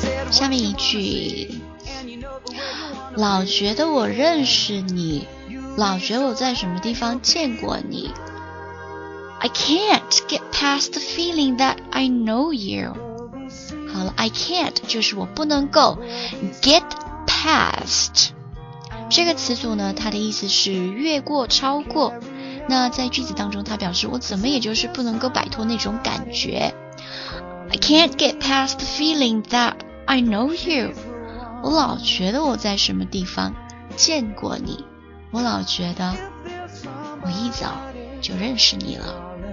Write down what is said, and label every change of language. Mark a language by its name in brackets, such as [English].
[Chinese] 下面一句，老觉得我认识你，老觉得我在什么地方见过你。 [English] I can't get past the feeling that I know you. [Chinese] 好了， [English] I can't [Chinese] 就是我不能够 [English] get past. [Chinese] 这个词组呢，它的意思是越过、超过。那在句子当中，它表示我怎么也就是不能够摆脱那种感觉。 [English] I can't get past the feeling that I know you. [Chinese] 我老觉得我在什么地方见过你。我老觉得我一早就认识你了。